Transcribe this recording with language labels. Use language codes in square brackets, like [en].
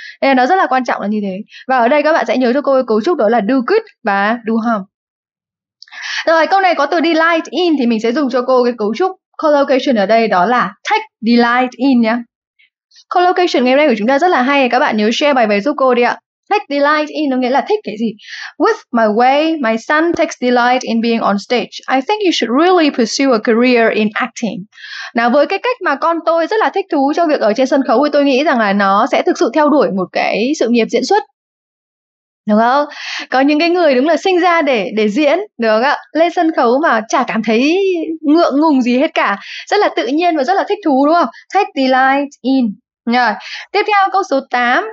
[vi] Nên nó rất là quan trọng là như thế. Và ở đây các bạn sẽ nhớ cho cô ấy cấu trúc đó là [en] do good [vi] và [en] do harm. [vi] Rồi, câu này có từ delight in thì mình sẽ dùng cho cô cái cấu trúc collocation ở đây, đó là [en] take delight in [vi] nhá. Collocation ngày nay của chúng ta rất là hay, các bạn nhớ share bài về giúp cô đi ạ. [en] Take delight in [vi] nó nghĩa là thích cái gì? [en] With my way, my son takes delight in being on stage. I think you should really pursue a career in acting. [vi] Nào, với cái cách mà con tôi rất là thích thú cho việc ở trên sân khấu thì tôi nghĩ rằng là nó sẽ thực sự theo đuổi một cái sự nghiệp diễn xuất. Đúng không? Có những cái người đúng là sinh ra để diễn, được không ạ? Lên sân khấu mà chả cảm thấy ngượng ngùng gì hết cả. Rất là tự nhiên và rất là thích thú, đúng không? [en] Take delight in. [vi] Rồi, tiếp theo câu số 8.